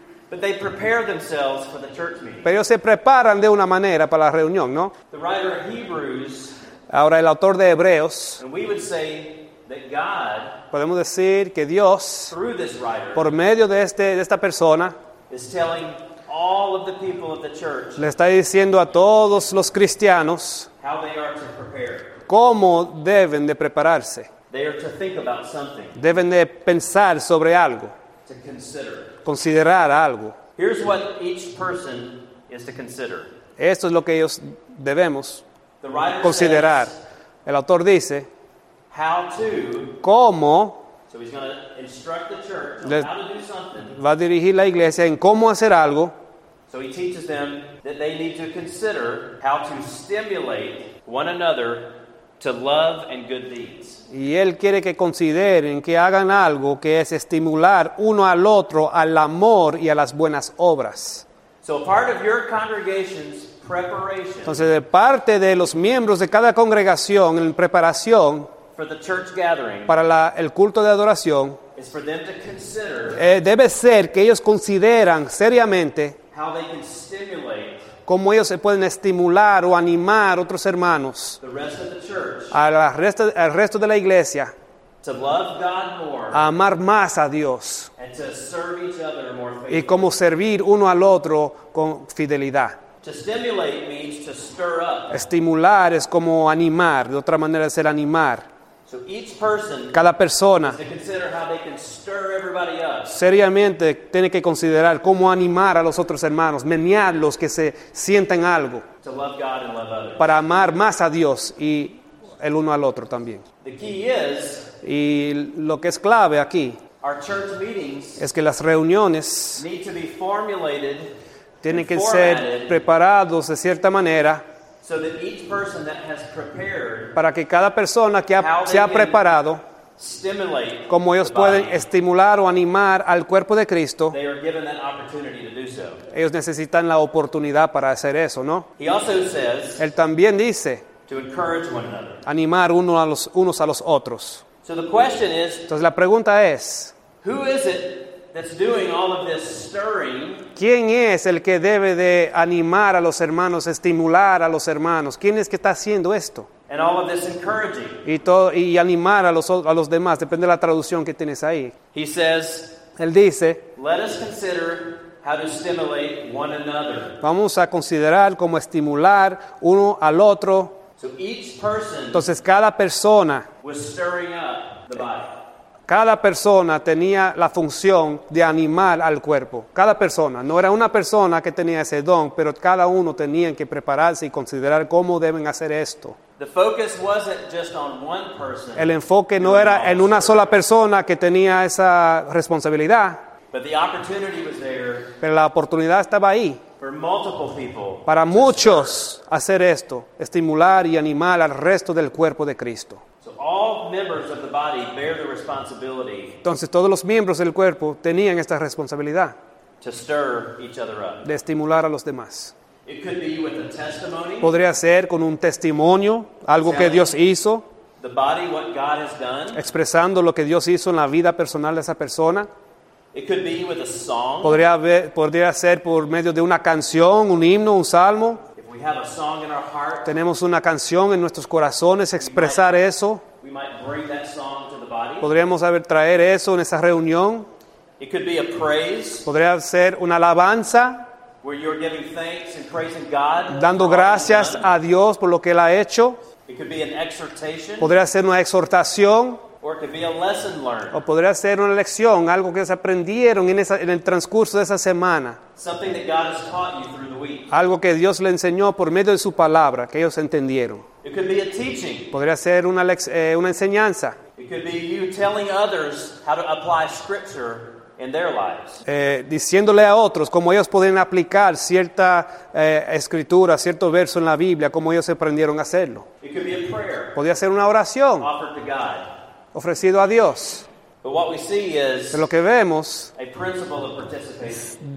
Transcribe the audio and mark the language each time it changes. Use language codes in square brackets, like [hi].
[en] But they prepare themselves for the church meeting. [es] Pero ellos se preparan de una manera para la reunión, ¿no? [en] The writer of Hebrews, [es] ahora el autor de Hebreos, [en] and we would say that God, [es] podemos decir que Dios, [en] through this writer, [es] por medio de, de esta persona, [en] is telling all of the people of the church, [es] le está diciendo a todos los cristianos [en] how they are to prepare. [es] Cómo deben de prepararse. [en] They are to think about something. [es] Deben de pensar sobre algo. [en] To consider. [es] Considerar algo. [en] Here's what each person is to consider. [es] Esto es lo que ellos debemos considerar. El autor dice, [en] how to, [es] cómo, [en] so he's going to instruct the church on how to do something. [es] Va a dirigir la iglesia en cómo hacer algo. [en] So he teaches them that they need to consider how to stimulate one another to love and good deeds. [es] Y él quiere que consideren que hagan algo que es estimular uno al otro al amor y a las buenas obras. [en] So part of your congregation's preparation. [es] Entonces, de parte de los miembros de cada congregación en preparación [en] for the church gathering, [es] para la, el culto de adoración, [en] is for them to consider, [es] debe ser que ellos consideran seriamente [en] how they can stimulate, [es] cómo ellos se pueden estimular o animar a otros hermanos, al resto de la iglesia, [en] to love God more, [es] a amar más a Dios, [en] and to serve each other more faithfully. [es] Y cómo servir uno al otro con fidelidad. [en] To stimulate means to stir up. [es] Estimular es como animar, de otra manera es el animar. [en] So each person, [es] cada persona, [en] has to consider how they can stir everybody up. [es] Seriamente tiene que considerar cómo animar a los otros hermanos, menearlos, que se sientan algo. [en] To love God and love others. [es] Para amar más a Dios y el uno al otro también. [en] The key is, [es] y lo que es clave aquí, [en] our church meetings [es] es que las reuniones [en] need to be formulated, [es] tienen que ser preparados de cierta manera. [en] So that each person that has prepared, [es] para que cada persona que ha, se ha preparado, [en] stimulate, [es] como ellos pueden estimular o animar al cuerpo de Cristo, [en] they are given that opportunity to do so. [es] Ellos necesitan la oportunidad para hacer eso, ¿no? [en] He also says, [es] él también dice, [en] to encourage one another, [es] animar uno a los, unos a los otros. [en] So the question is, [es] entonces la pregunta es, [en] who is it that's doing all of this stirring? [es] ¿Quién es el que debe de animar a los hermanos, estimular a los hermanos? ¿Quién es que está haciendo esto? [en] And all of this encouraging. [es] Y, y animar a los demás, depende de la traducción que tienes ahí. [en] He says, [es] él dice, [en] let us consider how to stimulate one another. [es] Vamos a considerar cómo estimular uno al otro. [en] So each person, [es] entonces cada persona, [en] was stirring up the body. [es] Cada persona tenía la función de animar al cuerpo. Cada persona. No era una persona que tenía ese don, pero cada uno tenía que prepararse y considerar cómo deben hacer esto. [en] The focus wasn't just on one person. [es] El enfoque no era en una sola persona que tenía esa responsabilidad. [en] But the opportunity was there, [es] pero la oportunidad estaba ahí. [en] For multiple people, [es] para muchos hacer esto, estimular y animar al resto del cuerpo de Cristo. [en] So All members of the body bear the responsibility. [es] Entonces todos los miembros del cuerpo tenían esta responsabilidad. [en] To stir each other up. [es] De estimular a los demás. [en] It could be with a testimony. [es] Podría ser con un testimonio, algo que Dios hizo. [en] The body, what God has done. [es] Expresando lo que Dios hizo en la vida personal de esa persona. [en] It could be with a song. [es] Podría ser por medio de una canción, un himno, un salmo. [en] If we have a song in our heart, [es] tenemos una canción en nuestros corazones, expresar eso. [en] We might bring that song to the body. [es] Podríamos traer eso en esa reunión. [en] It could be a praise. [es] Podría ser una alabanza. [en] Where you're giving thanks and praising God. [es] Dando gracias a Dios por lo que Él ha hecho. [en] It could be an exhortation. [es] Podría ser una exhortación. [en] Or it could be a lesson learned. [es] O podría ser una lección, algo que se aprendieron en el transcurso de esa semana. [en] Something that God has taught you through the week. [es] Algo que Dios le enseñó por medio de su palabra, que ellos entendieron. [en] It could be a teaching. [es] Podría ser una enseñanza. [en] It could be you telling others how to apply scripture in their lives. [es] Diciéndole a otros cómo ellos pueden aplicar cierta escritura, cierto verso en la Biblia, cómo ellos aprendieron a hacerlo. [en] It could be a prayer. [es] Podría ser una oración. [en] Offered to God. [es] Ofrecido a Dios. [en] But what we see is, [es] pero lo que vemos, [en] a principle of participation.